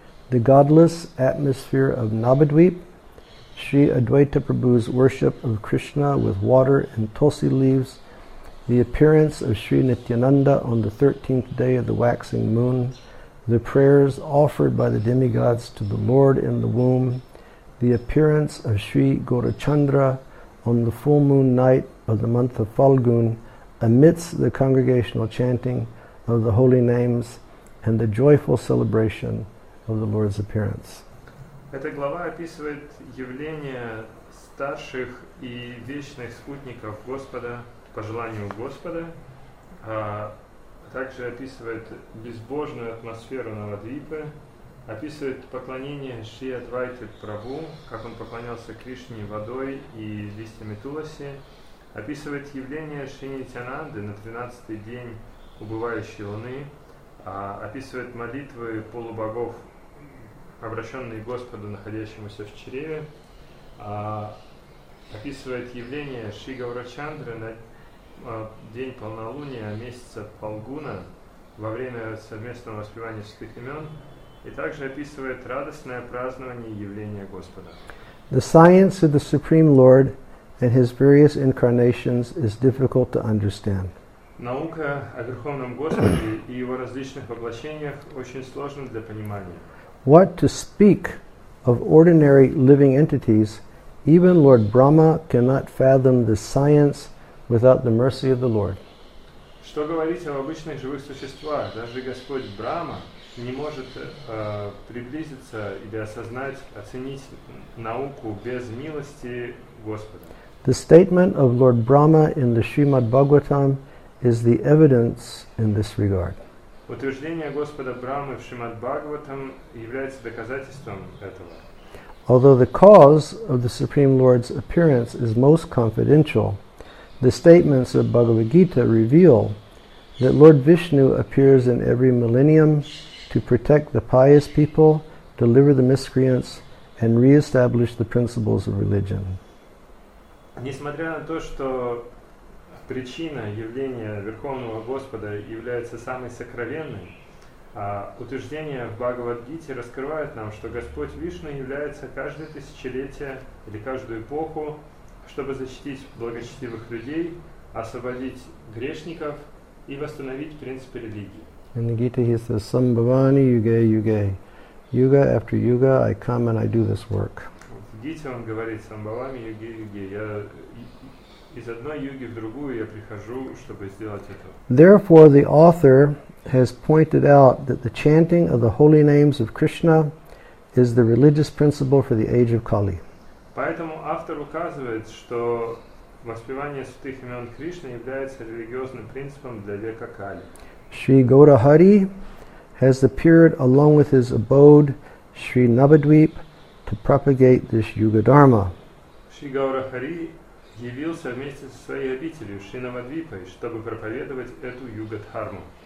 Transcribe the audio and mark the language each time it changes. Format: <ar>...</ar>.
<en>The godless atmosphere of Nabadweep, Sri Advaita Prabhu's worship of Krishna with water and tulsi leaves, the appearance of Sri Nityananda on the 13th day of the waxing moon, the prayers offered by the demigods to the Lord in the womb, the appearance of Sri Gaurachandra on the full moon night of the month of Falgun amidst the congregational chanting of the holy names and the joyful celebration of the Lord's appearance.</en> <ru>Эта глава описывает явление старших и вечных спутников Господа по желанию Господа, также описывает безбожную атмосферу Навадвипы, описывает поклонение Шри Адвайты Прабху, как он поклонялся Кришне водой и листьями туласи, описывает явление Шри Нитянанды на 13-й день убывающей луны, описывает молитвы полубогов, обращенный к Господу, находящемуся в чреве, описывает явление Шри Гаурачандры на день полнолуния месяца Фалгуна, во время совместного воспевания святых имен, и также описывает радостное празднование явления Господа.</ru> <en>The science of the Supreme Lord and His various incarnations is difficult to understand.</en> <ru>Наука о Верховном Господе и Его различных воплощениях очень сложна для понимания.</ru> <en>What to speak of ordinary living entities, even Lord Brahma cannot fathom this science without the mercy of the Lord.</en> <ru>Что говорить об обычных живых существах? Даже Господь Брахма не может приблизиться или осознать, оценить науку без милости Господа.</ru> <en>The statement of Lord Brahma in the Srimad Bhagavatam is the evidence in this regard.</en> <ru>Утверждение Господа Брахмы в Шримад Бхагаватам является доказательством этого.</ru> <en>Although the cause of the Supreme Lord's appearance is most confidential, the statements of Bhagavad Gita reveal that Lord Vishnu appears in every millennium to protect the pious people, deliver the miscreants, and re-establish the principles of religion.</en> <ru>Несмотря на то, что причина явления Верховного Господа является самой сокровенной, утверждение в Бхагавад-гите раскрывает нам, что Господь Вишну является каждое тысячелетие или каждую эпоху, чтобы защитить благочестивых людей, освободить грешников и восстановить принципы религии.</ru> <en>In the Gita he says,</en> <sa>Sambhavani yuge yuge.</sa> <en>Yuga after yuga I come and I do this work.</en> <ru>В Гите он говорит,</ru> <sa>Sambhavani yuge yuge.</sa> <ru>Я из одной юги в другую я прихожу, чтобы сделать это.</ru> <en>Therefore the author has pointed out that the chanting of the holy names of Krishna is the religious principle for the age of Kali.</en> <ru>Поэтому автор указывает, что воспевание святых имен Кришны является религиозным принципом для века Кали.</ru> <en>Sri Gaurahari has appeared along with his abode, Sri Navadvip, to propagate this Yuga Dharma.</en> <ru>Sri Gaurahari явился вместе со своей обителью, Sri Navadvipa, чтобы проповедовать эту Yuga Dharma.</ru>